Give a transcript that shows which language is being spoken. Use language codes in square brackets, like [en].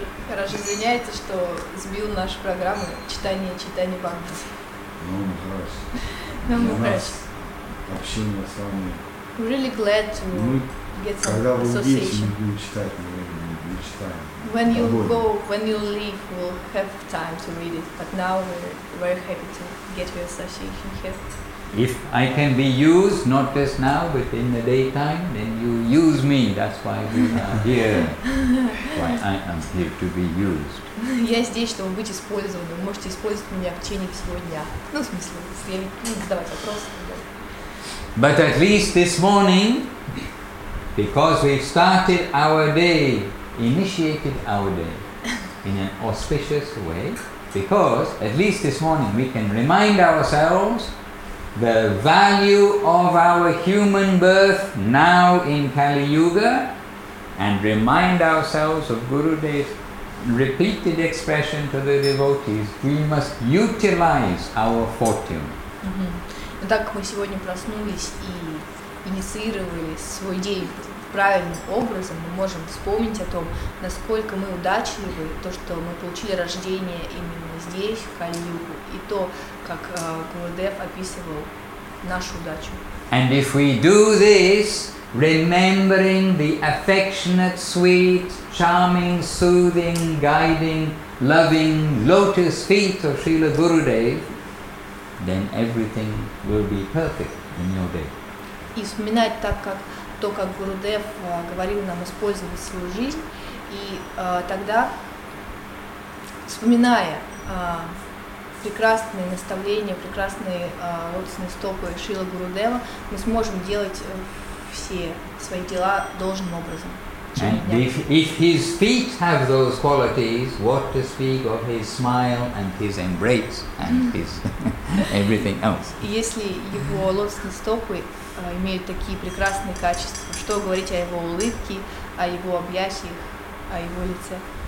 [ru] Хорошо, извиняется, что сбил нашу программу читания Бхагавата. Ну, Махарадж. Ну, Махарадж. Общение с вами. [en] Really glad to [ru] Когда вы уйдете, мы будем читать, мы будем читать. [en] When you go, when you leave, we'll have time to read it. But now we're very happy to get your association here. If I can be used, not just now, but in the daytime, then you use me. That's why we are here. Why I am here to be used. [ru] Я здесь, чтобы быть использованным. Можете использовать меня в течение всего дня. Ну, в смысле, если задавать вопросы. [en] But at least this morning, because we've started our day, initiated our day in an auspicious way, because at least this morning we can remind ourselves the value of our human birth now in Kali Yuga, and remind ourselves of Gurudev's repeated expression to the devotees, we must utilize our fortune. Mm-hmm. [ru] Так мы сегодня проснулись и инициировали свой день правильным образом, мы можем вспомнить о том, насколько мы удачливы, то, что мы получили рождение именно здесь, в Кали-Югу, и то, как Гурудев описывал нашу удачу. [en] And if we do this, remembering the affectionate, sweet, charming, soothing, guiding, loving lotus feet of Srila Gurudev, then everything will be perfect in your day. [ru] И вспоминать так, как то, как Гурудев говорил нам использовать свою жизнь, и тогда, вспоминая прекрасные наставления, прекрасные лотосные стопы Шрилы Гурудева, мы сможем делать все свои дела должным образом. [en] And if his feet have those qualities, what to speak of his smile and his embrace and his everything else? [ru] Если его лотосные стопы имеют такие прекрасные качества, что говорить о его улыбке, о его объятиях, о его лице?